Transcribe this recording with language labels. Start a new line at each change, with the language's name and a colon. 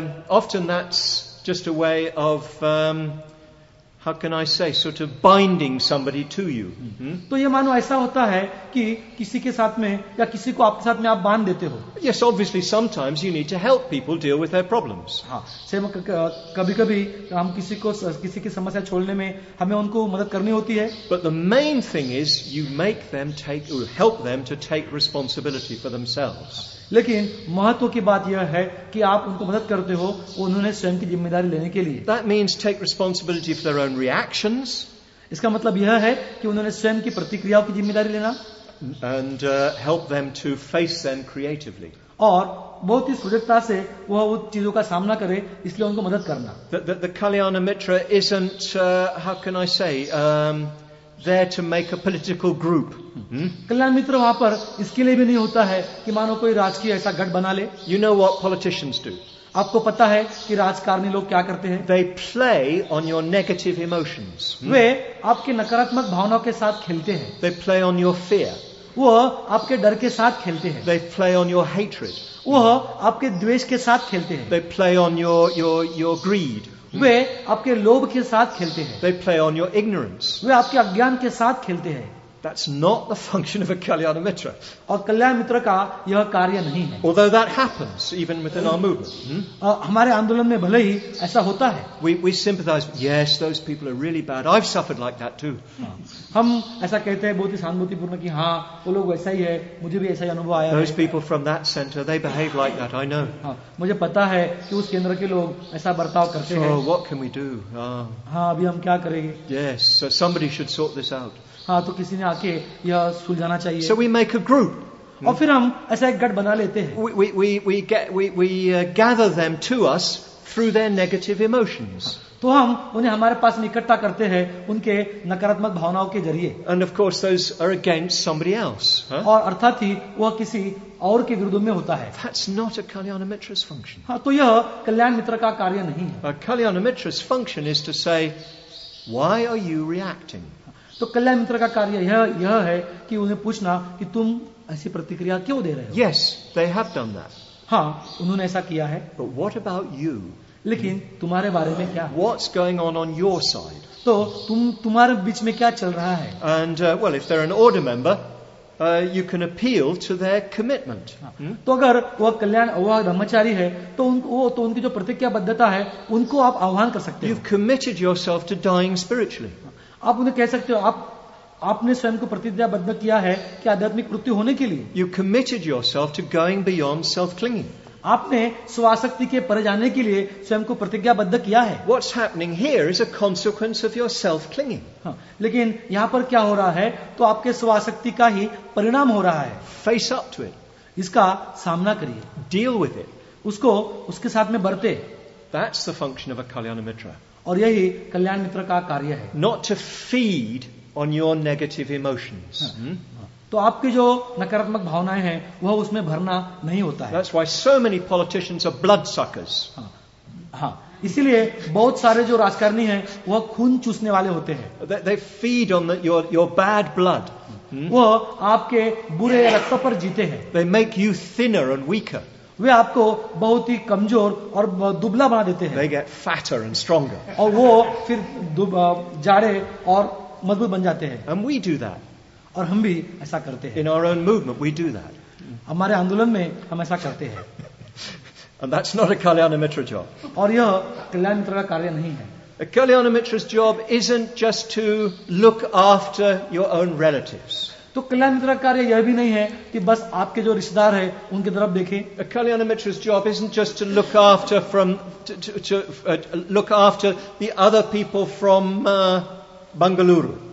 English: Often that's just a way of how can I say, sort of binding somebody to you.
Hindi: तो ये मानो ऐसा होता है कि किसी के साथ में या किसी को आपके साथ में आप बांध देते हो.
English: Yes, obviously sometimes you need to help people deal with their problems.
Hindi: हाँ, कभी कभी हम किसी की समस्या छोड़ने में हमें उनको मदद करनी होती है.
English: But the main thing is you make them take, or help them to take responsibility for themselves.
Hindi: लेकिन महत्व की बात यह है कि आप उनको मदद करते हो उन्होंने स्वयं की जिम्मेदारी लेने के लिए.
English: That means take responsibility for their own reactions.
Hindi: इसका मतलब यह है कि उन्होंने स्वयं की प्रतिक्रियाओं की जिम्मेदारी लेना.
English: And help them to face them creatively.
Hindi: और बहुत ही सजगता से वह उन चीजों का सामना करे इसलिए उनको मदद करना.
English: The Kalyana Mitra isn't, how can I say, there to make a political group.
Hindi: कल्याण मित्र वहां पर इसके लिए भी नहीं होता है कि मानो कोई राजकीय ऐसा गठ बना ले.
English: You know what politicians do.
Hindi: आपको पता है कि राजकारणी लोग क्या करते हैं.
English: They play on your negative emotions.
Hindi: वे आपके नकारात्मक भावनाओं के साथ खेलते हैं.
English: They play on your fear.
Hindi: वो आपके डर के साथ खेलते हैं.
English: They play on your hatred.
Hindi: वो आपके द्वेष के साथ खेलते हैं.
English: They play on your greed.
Hindi: वे आपके लोभ के साथ खेलते हैं.
English: They play on your ignorance.
Hindi: वे आपके अज्ञान के साथ खेलते हैं.
English: That's not the function of a Kalyana Mitra.
Hindi: और कल्याण मित्र का यह कार्य नहीं है.
English: Although that happens even within our movement.
Hindi: हमारे आंदोलन में भले ही ऐसा होता है.
English: We sympathize. Yes, those people are really bad. I've suffered like that too.
Hindi: हम ऐसा कहते हैं बहुत ही सहानुभूतिपूर्ण कि हाँ वो लोग वैसा ही है, मुझे भी ऐसा ही अनुभव आया.
English: Those people from that center, they behave like that, I know.
Hindi: मुझे पता है कि उस केंद्र के लोग ऐसा बर्ताव करते हैं.
English: So what can we do?
Hindi: हाँ अभी हम क्या करेंगे.
English: Yes, so somebody should sort this out.
Hindi: हाँ तो किसी ने आके यह सुलझाना चाहिए.
English: So we make a group.
Hindi: और फिर हम ऐसा एक गठ बना लेते हैं.
English: We gather them to us through their negative emotions.
Hindi: तो हम उन्हें हमारे पास इकट्ठा करते हैं उनके नकारात्मक भावनाओं के जरिए.
English: And of course those are against somebody else.
Hindi: और अर्थात ही वह किसी और के विरुद्ध में होता है.
English: That's not a Kalyana Mitra's function.
Hindi: हाँ तो यह कल्याण मित्र का कार्य नहीं है.
English: A Kalyana Mitra's function is to say, why are you reacting?
Hindi: तो कल्याण मित्र का कार्य यह है कि उन्हें पूछना कि तुम ऐसी प्रतिक्रिया क्यों दे रहे हो.
English: Yes, they have done that.
Hindi: हाँ उन्होंने ऐसा किया है.
English: But what about you?
Hindi: लेकिन तुम्हारे बारे में क्या?
English: What's going on your side?
Hindi: तो तुम्हारे बीच में क्या चल रहा है?
English: And well, if they're an order member, you can appeal to their commitment.
Hindi: तो अगर वह कल्याण वह ब्रह्मचारी है तो उनकी जो प्रतिज्ञाबद्धता है उनको आप आह्वान कर सकते हैं.
English: You've committed yourself to dying spiritually.
Hindi: आप उन्हें कह सकते हो आपने स्वयं को प्रतिज्ञाबद्ध किया है कि आध्यात्मिक मृत्यु होने के लिए.
English: You committed yourself to going beyond self-clinging.
Hindi: आपने स्वासक्ति के परे जाने के लिए स्वयं को प्रतिज्ञाबद्ध किया है.
English: What's happening here is a consequence of your self-clinging.
Hindi: लेकिन यहाँ पर क्या हो रहा है तो आपके स्वासक्ति का ही परिणाम हो रहा है.
English: Face up to it.
Hindi: इसका सामना करिए.
English: Deal with it.
Hindi: उसको उसके साथ में बरते.
English: That's the function of a Kalyana Mitra.
Hindi: और यही कल्याण मित्र का कार्य है.
English: Not to feed on your negative emotions.
Hindi: तो आपके जो नकारात्मक भावनाएं हैं वह उसमें भरना नहीं होता है.
English: That's why so many politicians are blood suckers.
Hindi: इसीलिए बहुत सारे जो राजकारणी हैं वह खून चूसने वाले होते हैं.
English: They feed on your bad blood.
Hindi: वह आपके बुरे रक्त पर जीते हैं.
English: They make you thinner and weaker.
Hindi: वे आपको बहुत ही कमजोर और दुबला बना देते हैं.
English: They get fatter and stronger.
Hindi: और वो फिर जाड़े और मजबूत बन जाते हैं.
English: And we do that.
Hindi: और हम भी ऐसा करते हैं.
English: In our own movement, we do that.
Hindi: हमारे आंदोलन में हम ऐसा करते हैं.
English: And that's not a Kalyana Mitra job.
Hindi: और यह कल्याण मित्र का कार्य नहीं है.
English: A Kalyana Mitra's job isn't just to look after your own relatives.
Hindi: तो कल्याण मित्र का कार्य यह भी नहीं है कि बस आपके जो रिश्तेदार हैं उनकी तरफ देखें.
English: A Kalyana Mitra's job isn't just to look after the other people from Bangalore.